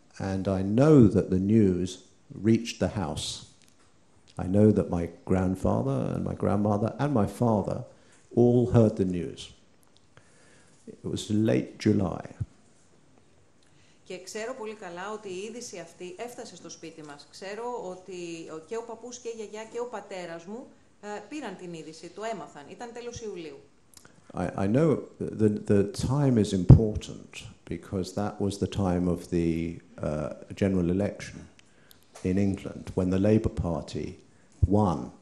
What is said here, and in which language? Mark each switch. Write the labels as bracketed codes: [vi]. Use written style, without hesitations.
[en] And I know that the news reached the house. I know that my grandfather and my grandmother and my father all heard the news. It was late July. [el] Και ξέρω πολύ καλά ότι η είδηση αυτή έφτασε στο σπίτι μας. Ξέρω ότι και ο παππούς και η γιαγιά και ο πατέρας μου πήραν την είδηση, το έμαθαν. Ήταν τέλος Ιουλίου. [en] I know the time is important because that was the time of the general election in England when the Labour Party won